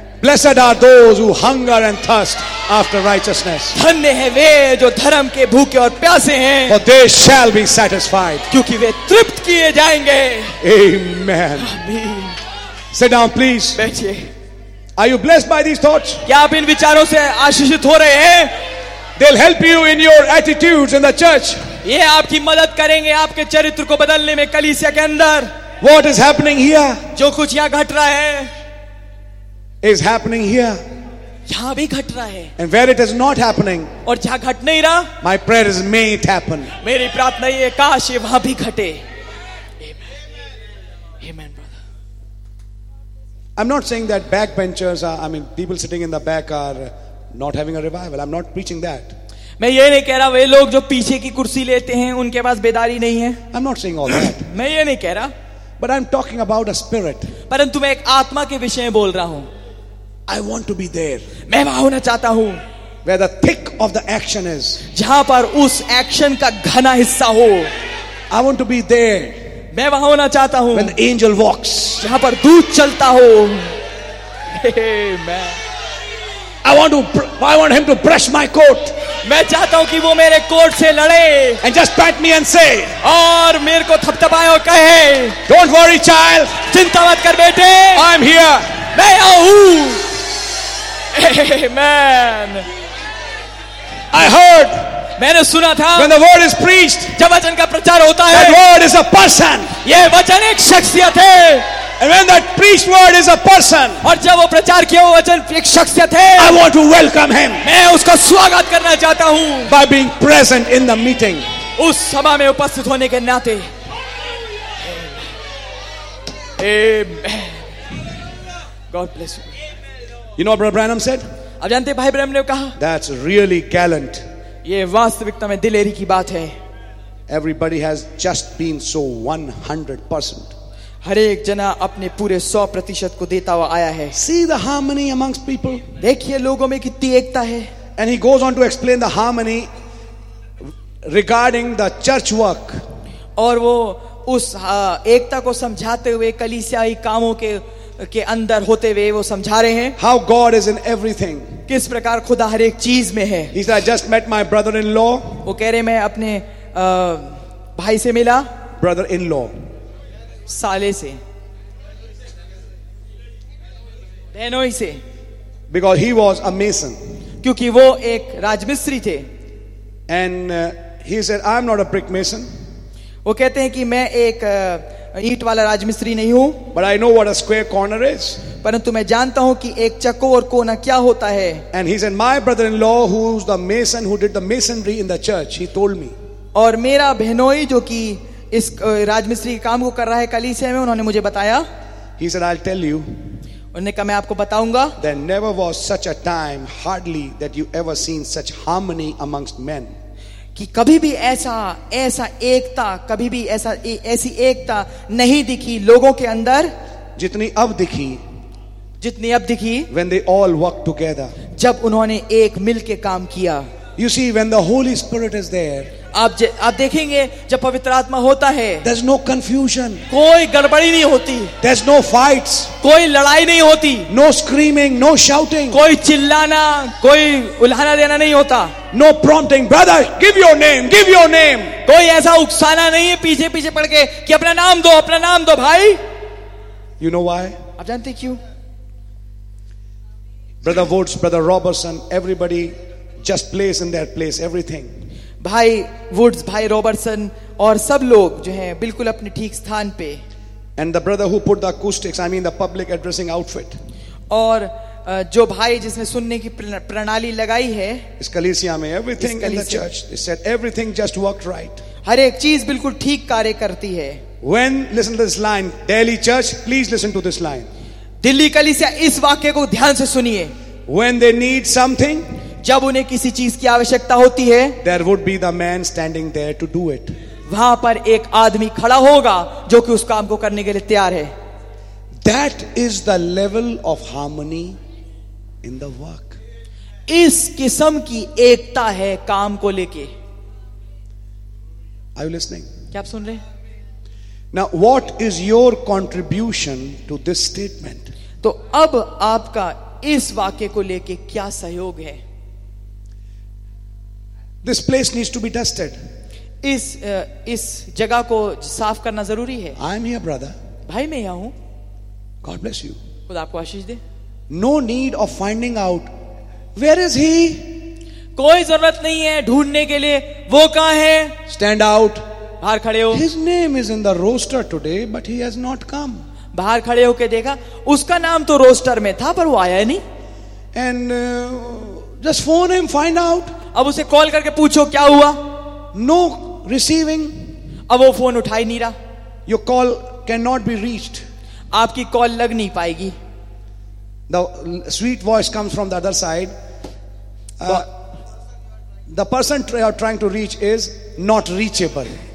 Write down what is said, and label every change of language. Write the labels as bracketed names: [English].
[English] Blessed are those who hunger and thirst after righteousness. [Hindi] धन्य है वे जो धर्म के भूखे और प्यासे हैं. [English] For they shall be satisfied. [Hindi] क्योंकि वे तृप्त किए जाएंगे. [English] Amen. Amen. Sit down, please. [Hindi] बैठिए. [English] Are you blessed by these thoughts? [Hindi] क्या आप इन विचारों से आशीषित हो रहे हैं? [English] They'll help you in your attitudes in the church. [Hindi] ये आपकी मदद करेंगे आपके चरित्र को बदलने में कलीसिया के अंदर. [English] What is happening here? [Hindi] जो कुछ यहाँ घट रहा है. [English] Is happening here? [Hindi] यहाँ भी घट रहा है. [English] And where it is not happening? [Hindi] और जहाँ घट नहीं रहा. [English] My prayer is may it happen. [Hindi] मेरी प्रार्थना ये काश ये वहाँ भी घटे. Amen. [English] Amen, brother. I'm not saying that backbenchers are. I mean, people sitting in the back are. Not having a revival. I'm not preaching that. [Hindi] मैं ये नहीं कह रहा वे लोग जो पीछे की कुर्सी लेते हैं उनके पास बेदारी नहीं है. [English] I'm not saying all that. [Hindi] मैं ये नहीं कह रहा. [English] But I'm talking about a spirit. [Hindi] परंतु मैं एक आत्मा के विषय में बोल रहा हूँ. [English] I want to be there. [Hindi] मैं वहां होना चाहता हूं. [English] Where the thick of the action is. [Hindi] जहां पर उस एक्शन का घना हिस्सा हो. [English] I want to be there. [Hindi] मैं वहां होना चाहता हूं. [English] When the angel walks. [Hindi] जहां पर दूत चलता हो. [English] Amen. I want him to brush my coat. [Hindi] मैं चाहता हूं कि वो मेरे कोट से लड़े. [English] And just pat me and say. [Hindi] और मेरे को थपथपाए और कहे. [English] Don't worry, child. [Hindi] चिंता मत कर बेटे. [English] I'm here. [Hindi] मैं यहाँ हूँ. Amen. [English] I heard. [Hindi] मैंने सुना था. [English] When the word is preached. [Hindi] जब वचन का प्रचार होता है. [English] That word is a person. [Hindi] ये वचन एक शख्सियत है. [English] And when that preached word is a person, [Hindi] और जब वो प्रचार किया हुआ वचन एक शख्सियत है, [English] I want to welcome him. [Hindi] मैं उसका स्वागत करना चाहता हूँ. [English] By being present in the meeting. [Hindi] उस सभा में उपस्थित होने के नाते. [English] Amen. God bless you. You know what Brother Branham said? [Hindi] आप जानते हैं भाई ब्रैनम ने कहा? [English] That's really gallant. [Hindi] ये वास्तविकता में दिलेरी की बात है. [English] Everybody has just been so 100%. [Hindi] हर एक जना अपने पूरे 100% को देता हुआ आया है. [English] See the harmony amongst people. [Hindi] देखिए लोगों में कितनी एकता है. [English] And he goes on to explain the harmony regarding the church work. [Hindi] और वो उस एकता को समझाते हुए कलीसियाई कामों के अंदर होते हुए वो समझा रहे हैं. [English] How God is in everything. [Hindi] किस प्रकार खुदा हर एक चीज में है. [English] He said, I just met my brother-in-law. [Hindi] वो कह रहे मैं अपने भाई से मिला. [English] Brother-in-law. [Hindi] साले से बहनोई से. [English] Because he was a mason. [Hindi] क्योंकि वो एक राजमिस्त्री थे. [English] And he said, I'm not a brick mason. [Hindi] वो कहते हैं कि मैं एक ईंट वाला राजमिस्त्री नहीं हूं. [English] But I know what a square corner is. [Hindi] परंतु मैं जानता हूं कि एक चकोर कोना क्या होता है. [English] And he said, my brother-in-law who's the mason who did the masonry in the church, he told me. [Hindi] और मेरा बहनोई जो कि इस राजमिस्त्री के काम को कर रहा है कलीसिया में, उन्होंने मुझे बताया. [English] He said, I'll tell you. [Hindi] उन्होंने कहा मैं आपको बताऊंगा. [English] There never was such a time hardly that you ever seen such harmony amongst men. [Hindi] कि कभी भी ऐसा एकता, कभी भी ऐसी एकता नहीं दिखी लोगों के अंदर जितनी अब दिखी [English] when they all worked together. [Hindi] जब उन्होंने एक मिलके काम किया. [English] You see, when the Holy Spirit is there, [Hindi] आप देखेंगे जब पवित्र आत्मा होता है, [English] there's no confusion, [Hindi] कोई गड़बड़ी नहीं होती, [English] there's no fights, [Hindi] कोई लड़ाई नहीं होती, [English] no screaming, no shouting, [Hindi] कोई चिल्लाना, कोई उल्हाना देना नहीं होता, [English] no prompting, brother, give your name, [Hindi] कोई ऐसा उकसाना नहीं है पीछे पीछे पड़ के कि अपना नाम दो भाई. [English] You know why? [Hindi] आप जानते क्यों? [English] Brother Woods, Brother Robertson, everybody just plays in their place, everything. [Hindi] भाई वुड्स, भाई रॉबर्टसन और सब लोग जो हैं बिल्कुल अपने ठीक स्थान पे. [English] And the brother who put the acoustics, I mean the public addressing outfit. [Hindi] और जो भाई जिसने सुनने की प्रणाली लगाई है इस कलीसिया में, [English] Everything in the church, he said everything just worked right. [Hindi] हर एक चीज बिल्कुल ठीक कार्य करती है. [English] When listen to this line, Delhi church, please listen to this line. [Hindi] Delhi कलीसिया, इस वाक्य को ध्यान से सुनिए. [English] when they need something, [Hindi] जब उन्हें किसी चीज की आवश्यकता होती है, [English] there would be the man standing there to do it. [Hindi] वहां पर एक आदमी खड़ा होगा जो कि उस काम को करने के लिए तैयार है. [English] That is the level of harmony in the work. [Hindi] इस किस्म की एकता है काम को लेके. [English] Are you listening? [Hindi] क्या आप सुन रहे? [English] Now, what is your contribution to this statement? [Hindi] तो अब आपका इस वाक्य को लेके क्या सहयोग है? [English] This place needs to be dusted. [Hindi] इस जगह को साफ करना जरूरी है. [English] I am here, brother. [Hindi] भाई मैं यहाँ हूँ. [English] God bless you. [Hindi] खुद आपको आशीष दे. [English] No need of finding out where is he. [Hindi] कोई जरूरत नहीं है ढूंढने के लिए वो कहाँ है. [English] Stand out. [Hindi] बाहर खड़े हो. [English] His name is in the roster today, but he has not come. [Hindi] बाहर खड़े होके देखा, उसका नाम तो रोस्टर में था पर वो आया नहीं. [English] And just phone him, find out. [Hindi] अब उसे कॉल करके पूछो क्या हुआ. [English] No receiving. [Hindi] अब वो फोन उठाई नहीं रहा. [English] Your call can not be reached. [Hindi] आपकी कॉल लग नहीं पाएगी. [English] The sweet voice comes from the other side. The person you are trying to reach is not reachable.